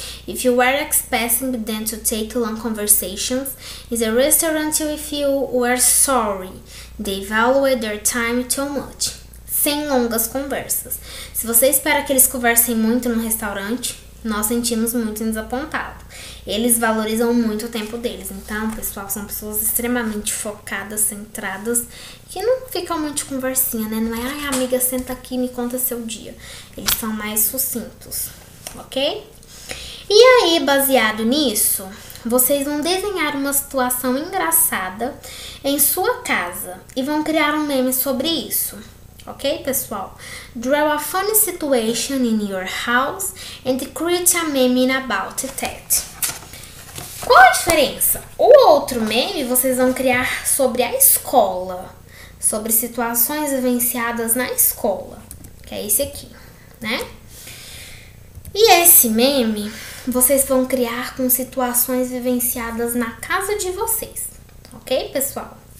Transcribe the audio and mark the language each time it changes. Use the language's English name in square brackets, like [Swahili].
[English] If you were expecting them to take long conversations in the restaurant with you, were sorry. They valued their time too much. [Portuguese] Sem longas conversas. Se você espera que eles conversem muito no restaurante, nós sentimos muito desapontado. Eles valorizam muito o tempo deles. Então, pessoal, são pessoas extremamente focadas, centradas, que não ficam muito de conversinha, né? Não é, ai, amiga, senta aqui e me conta seu dia. Eles são mais sucintos, ok? E aí, baseado nisso, vocês vão desenhar uma situação engraçada em sua casa e vão criar um meme sobre isso. Ok, pessoal? [English] Draw a funny situation in your house and create a meme about that. [Portuguese] Qual a diferença? O outro meme vocês vão criar sobre a escola, sobre situações vivenciadas na escola, que é esse aqui, né? E esse meme vocês vão criar com situações vivenciadas na casa de vocês, ok, pessoal?